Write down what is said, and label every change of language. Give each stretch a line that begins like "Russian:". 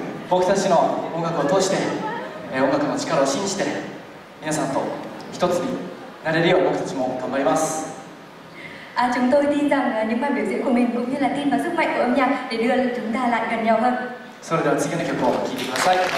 Japanese: を通して音楽の力を信じて皆さんと一つになれるよう僕たちも頑張ります。
Vietnamese: À, chúng tôi tin rằng những màn biểu diễn của mình cũng như là tin vào sức mạnh của âm nhạc để đưa chúng ta lại gần nhau hơn.
Japanese: それでは次の曲を聴いてください。